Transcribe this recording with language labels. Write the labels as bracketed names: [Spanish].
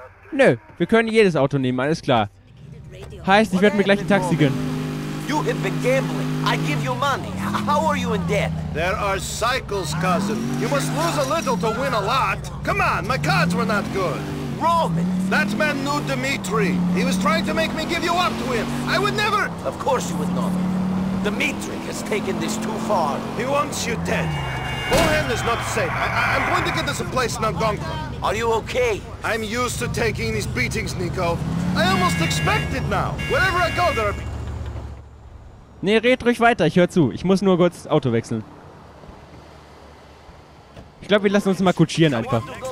[German] Nö, wir können jedes Auto nehmen, alles klar. Heißt, ich werde mir gleich ein Taxi gönnen. [English] You have been gambling. I give you money. How are you in debt? There are cycles, cousin. You must lose a little to win a lot. Come on, my cards were not good. Roman! That man knew Dimitri. He was trying to make me give you up to him. I would never... Of course you would not. Dimitri has taken this too far. He wants you dead. Bohan is not safe. I'm going to get us a place in Algonquin. Are you okay? I'm used to taking these beatings, Nico. I almost expect it now. Wherever I go, there are... [German] Nee, red ruhig weiter, ich hör zu. Ich muss nur kurz das Auto wechseln. Ich glaube, wir lassen uns mal kutschieren einfach.